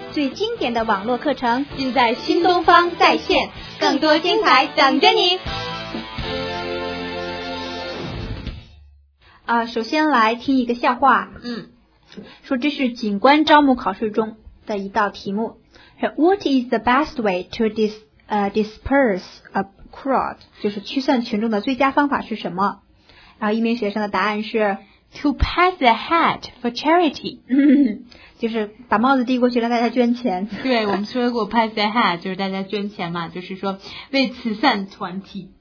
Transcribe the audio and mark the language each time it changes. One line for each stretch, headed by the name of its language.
Chinese: 最经典的网络课程，尽在新东方在线。更多精彩等着你。首先来听一个笑话。说这是警官招募考试中的一道题目。
English: What is the best way to disperse a crowd?
Chinese: 就是驱散群众的最佳方法是什么？然后一名学生的答案是
English: To pass the hat for charity.
Chinese: 就是把帽子递过去让大家捐钱。对，我们说过
English: pass the hat
Chinese: 就是大家捐钱嘛，就是说为慈善团体。